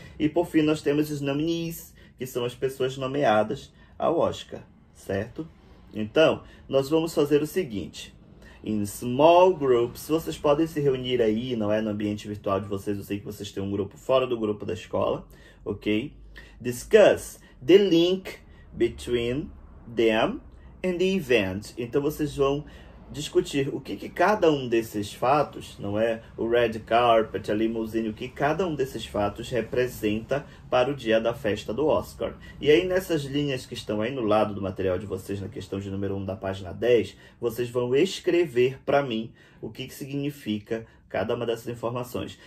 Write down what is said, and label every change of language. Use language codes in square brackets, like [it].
[pt] E por fim nós temos os nominees, que são as pessoas nomeadas ao Oscar, certo? Então, nós vamos fazer o seguinte. Em [en] small groups, [pt] vocês podem se reunir aí, não é, no ambiente virtual de vocês. Eu sei que vocês têm um grupo fora do grupo da escola, ok? [en] Discuss the link between them and the event. [pt] Então, vocês vão discutir o que, que cada um desses fatos, não é? O red carpet, a limousine, o que cada um desses fatos representa para o dia da festa do Oscar. E aí, nessas linhas que estão aí no lado do material de vocês, na questão de número 1 da página 10, vocês vão escrever para mim o que, que significa cada uma dessas informações.